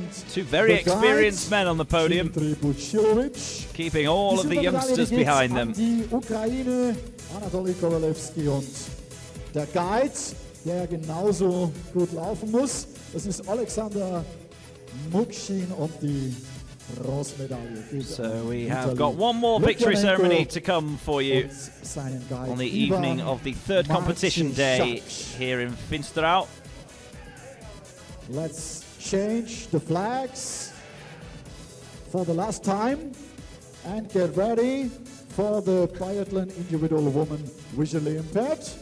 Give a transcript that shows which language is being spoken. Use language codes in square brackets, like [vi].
[en] Two very experienced men on the podium, keeping all of the youngsters behind them. [de] Anatoly Kovalevsky und der Guide, der genauso gut laufen muss, das ist Alexander Mukshin und die Bronze Medaille. [en] So we have got one more victory ceremony to come for you on the evening of the third competition day here in Finsterau. Let's change the flags for the last time and get ready for the biathlon individual woman visually impaired.